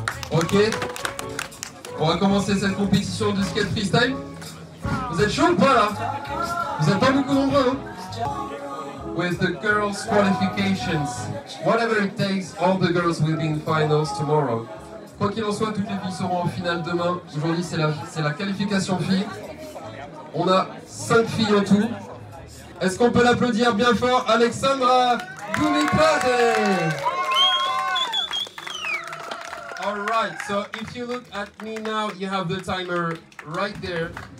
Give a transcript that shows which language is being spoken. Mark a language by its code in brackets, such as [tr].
[fr] Ok, on va commencer cette compétition de skate freestyle. Vous êtes chaud ou pas là? Vous êtes pas beaucoup nombreux, hein? [en] With the girls' qualifications, whatever it takes, all the girls will be in finals tomorrow. [fr] Quoi qu'il en soit, toutes les filles seront en finale demain. Aujourd'hui, c'est la qualification filles. On a 5 filles en tout. Est-ce qu'on peut l'applaudir bien fort, Alexandra Gumipade? [en] All right, so if you look at me now, you have the timer right there.